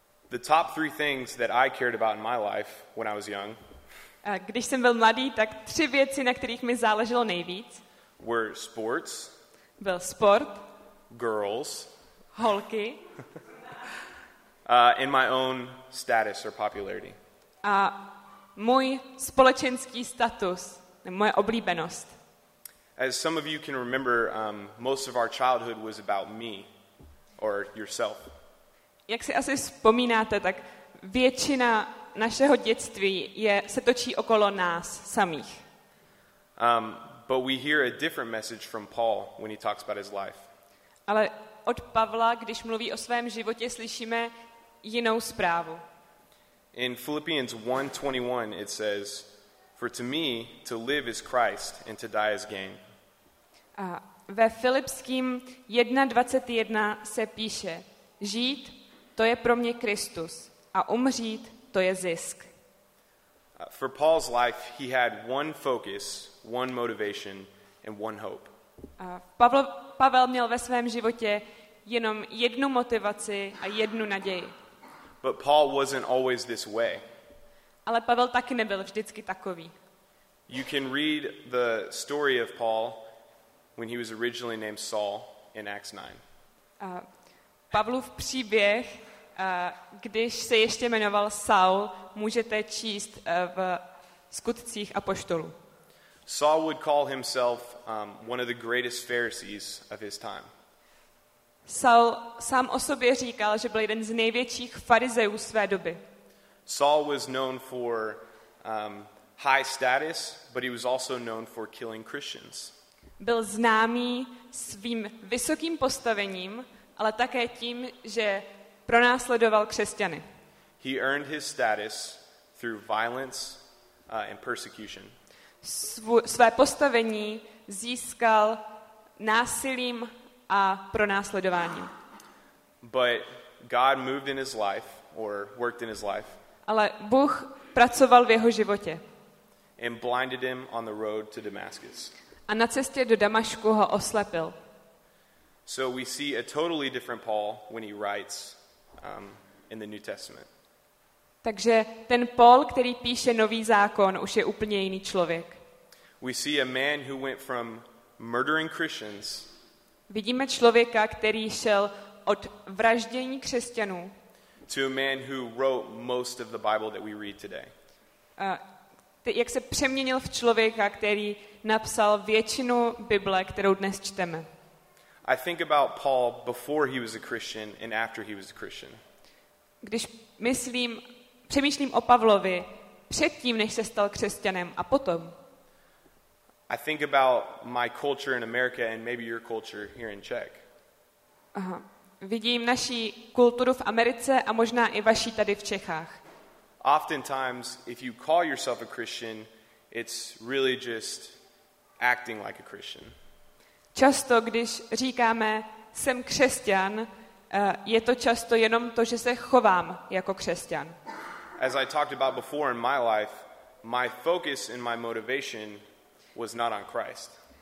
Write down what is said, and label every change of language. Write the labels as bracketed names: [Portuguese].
[English] The top three things that I cared about in my life when I was young. [Czech] A když jsem byl mladý, tak tři věci, na kterých mi záleželo nejvíc. [English] Were sports. [Czech] Byl sport. [English] Girls. [Czech] Holky. [English] In my own status or popularity. [Czech] A můj společenský status, moje oblíbenost. [English] As some of you can remember, most of our childhood was about me or yourself. [Czech] Jak si asi vzpomínáte, tak většina našeho dětství se točí okolo nás samých. [English] But we hear a different message from Paul when he talks about his life. [Czech] Ale od Pavla, když mluví o svém životě, slyšíme jinou zprávu. [English] In Philippians 1:21 it says, "For to me to live is Christ and to die is gain." [Czech] A ve Filipským 1:21 se píše: "Žít to je pro mě Kristus a umřít to je zisk." [English] For Paul's life he had one focus, one motivation and one hope. [Czech] Pavel měl ve svém životě jenom jednu motivaci a jednu naději. [English] But Paul wasn't always this way. [Czech] Ale Pavel taky nebyl vždycky takový. [English] You can read the story of Paul when he was originally named Saul in Acts 9. [Czech] Pavlův příběh, když se ještě jmenoval Saul, můžete číst v Skutcích apoštolů. [English] Saul would call himself one of the greatest Pharisees of his time. [Czech] Saul sám o sobě říkal, že byl jeden z největších farizeů své doby. [English] Saul was known for high status, but he was also known for killing Christians. [Czech] Byl známý svým vysokým postavením, ale také tím, že pronásledoval křesťany. [English] He earned his status through violence and persecution. [Czech] Své postavení získal násilím a pronásledováním. [English] But God moved in his life or worked in his life. [Czech] Ale Bůh pracoval v jeho životě. [English] And blinded him on the road to Damascus. [Czech] A na cestě do Damašku ho oslepil. [English] So we see a totally different Paul when he writes in the New Testament. [Czech] Takže ten Paul, který píše Nový zákon, už je úplně jiný člověk. [English] We see a man who went from murdering Christians. [Czech] Vidíme člověka, který šel od vraždění křesťanů. [English] To a man who wrote most of the Bible that we read today. [Czech] Jak se přeměnil v člověka, který napsal většinu Bible, kterou dnes čteme. [English] I think about Paul before he was a Christian and after he was a Christian. [Czech] Když přemýšlím o Pavlovi předtím, než se stal křesťanem, a potom. [English] I think about my culture in America and maybe your culture here in Czech. Aha. [Czech] Vidím naši kulturu v Americe a možná i vaši tady v Čechách. [English] Oftentimes, if you call yourself a Christian, it's really just acting like a Christian. [Czech] Často, když říkáme, jsem křesťan, je to často jenom to, že se chovám jako křesťan. [English] As I talked about before in my life, my focus and my motivation was not on Christ.